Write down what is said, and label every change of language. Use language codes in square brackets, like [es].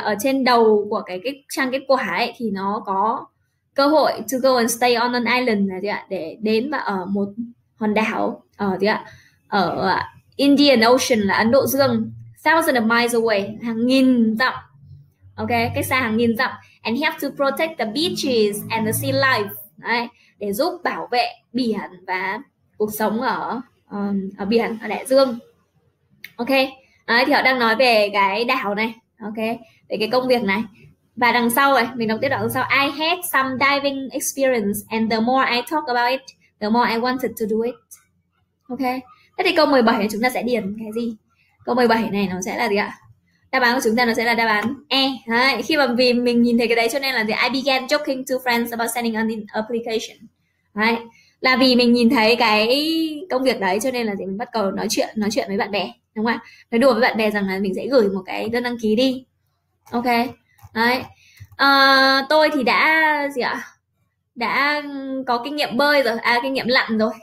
[vi] Ở trên đầu của cái trang kết quả ấy thì nó có cơ hội [en] to go and stay on an island, [vi] là gì ạ? Để đến và ở một hòn đảo ở gì ạ? Ở Indian Ocean là Ấn Độ Dương, [en] thousand of miles away, [vi] hàng nghìn dặm. Ok, cách xa hàng nghìn dặm. [en] And help to protect the beaches and the sea life. [vi] Đấy, để giúp bảo vệ biển và cuộc sống ở ở biển, ở đại dương. Ok, đấy, thì họ đang nói về cái đảo này. Ok, về cái công việc này. Và đằng sau này, mình đọc tiếp đoạn sau. [en] I had some diving experience and the more I talk about it, the more I wanted to do it. [vi] Ok, thế thì câu 17 này chúng ta sẽ điền cái gì? Câu 17 này nó sẽ là gì ạ? Đáp án của chúng ta nó sẽ là đáp án E. Đấy. Khi mà vì mình nhìn thấy cái đấy cho nên là gì? [en] I began joking to friends about sending an application. [vi] Đấy. Là vì mình nhìn thấy cái công việc đấy cho nên là gì? Mình bắt đầu nói chuyện với bạn bè. Đúng không ạ? Nói đùa với bạn bè rằng là mình sẽ gửi một cái đơn đăng ký đi. Ok. Đấy. Tôi thì đã gì ạ? Đã có kinh nghiệm bơi rồi, à kinh nghiệm lặn rồi.